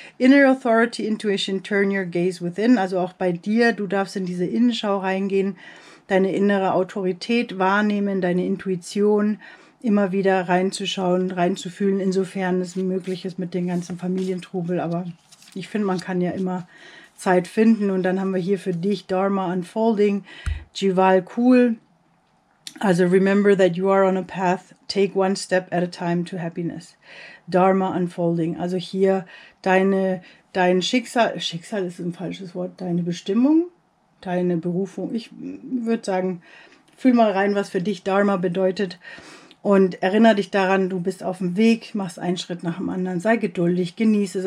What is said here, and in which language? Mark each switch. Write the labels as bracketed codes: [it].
[en] Inner Authority, Intuition, Turn Your Gaze Within. [de] Also auch bei dir, du darfst in diese Innenschau reingehen, deine innere Autorität wahrnehmen, deine Intuition immer wieder reinzuschauen, reinzufühlen, insofern es möglich ist mit dem ganzen Familientrubel. Aber ich finde, man kann ja immer Zeit finden. Und dann haben wir hier für dich Dharma Unfolding, Jival Cool. [en] Also remember that you are on a path, take one step at a time to happiness. [de] Dharma Unfolding, also hier dein Schicksal ist ein falsches Wort, deine Bestimmung, deine Berufung. Ich würde sagen, fühl mal rein, was für dich Dharma bedeutet. Und erinnere dich daran, du bist auf dem Weg, machst einen Schritt nach dem anderen, sei geduldig, genieße es.